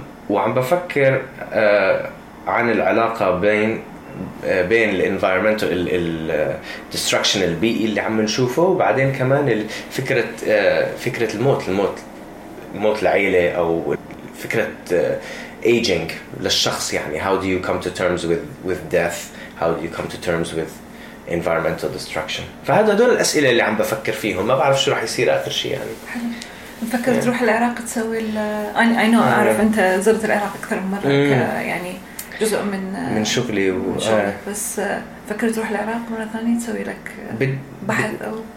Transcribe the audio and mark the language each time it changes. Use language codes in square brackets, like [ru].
[ar] وعم بفكر عن العلاقة بين ال [en] environmental destruction [ar] البيئي اللي عم نشوفه وبعدين كمان فكرة الموت العيلة أو فكرة [en] aging [ar] للشخص. يعني [en] how do you come to terms with death, how do you come to terms with environmental destruction. [ar] فهذا دول الأسئلة اللي عم بفكر فيهم. ما بعرف شو رح يصير آخر شيء. يعني مفكر تروح العراق تسوي ال [en] I know [ar] أعرف أنت زرت العراق أكثر من مرة يعني جزء من شغلي بس فكرت تروح العراق مرة ثانية تسوي لك بحث أو